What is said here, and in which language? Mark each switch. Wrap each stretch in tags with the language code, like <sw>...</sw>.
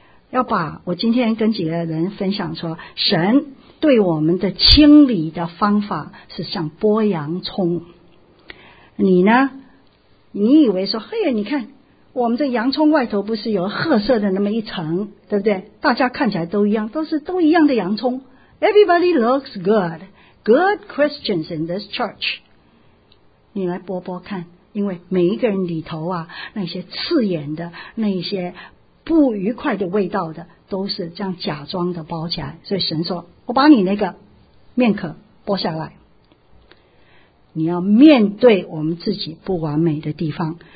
<zh>要把我今天跟几个人分享说，神对我们的清理的方法是像剥洋葱。你呢？你以为说，嘿呀，你看我们这洋葱外头不是有褐色的那么一层，对不对？大家看起来都一样，都是都一样的洋葱。</zh> <en>Everybody looks good. Good Christians in this church.</en> <zh>你来剥剥看，因为每一个人里头啊，那些刺眼的，那些不愉快的味道的，都是这样假装的包起来。所以神说，我把你那个面壳剥下来。你要面对我们自己不完美的地方。</zh>